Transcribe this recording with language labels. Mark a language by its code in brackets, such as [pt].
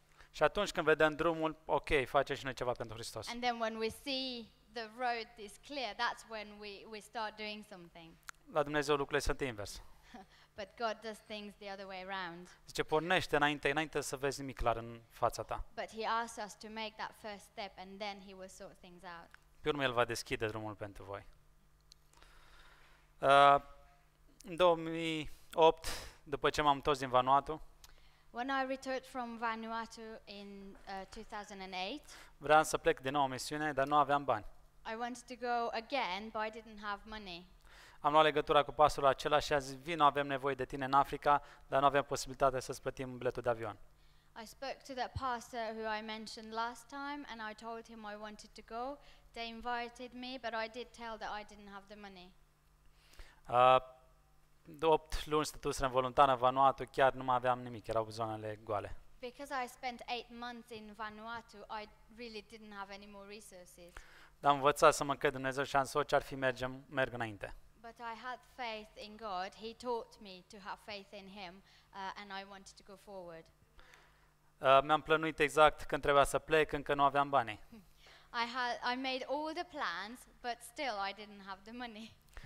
[ro] Și atunci când vedem drumul, ok, face și noi ceva pentru Hristos. [en] And then when we see the road is clear, that's when we start doing something. [ro] La Dumnezeu lucrurile sunt invers. [en] But God does things the other way around. [ro] Zice, pornește înainte să vezi nimic clar în fața ta. [en] But he asks us to make that first step and then he will sort things out. [ro] Pe urmă el va deschide drumul pentru voi. În 2008, după ce m-am întors din Vanuatu, [en] when I returned from Vanuatu in 2008, [ro] vreau să plec din nou în misiune, dar nu aveam bani. [en] I wanted to go again, but I didn't have money. [ro] Am luat legătura cu pastorul acela și a zis, vino, avem nevoie de tine în Africa, dar nu avem posibilitatea să-ți plătim biletul de avion. [en] I spoke to that pastor who I mentioned last time and I told him I wanted to go. They invited me, but I did tell that I didn't have the money. [ro] 8 luni stătusem voluntar în Vanuatu, chiar nu mai aveam nimic, erau zonele goale. [en] Because I spent 8 months in Vanuatu, I really didn't have any more resources. [ro] Dar am învățat să mă cred Dumnezeu și am spus ce ar fi merg înainte. [en] But I had faith in God. He taught me to have faith in him and I wanted to go forward. [ro] Mi-am plănuit exact când trebuia să plec, încă nu aveam bani. [en] I made all the plans, but still I didn't have the money.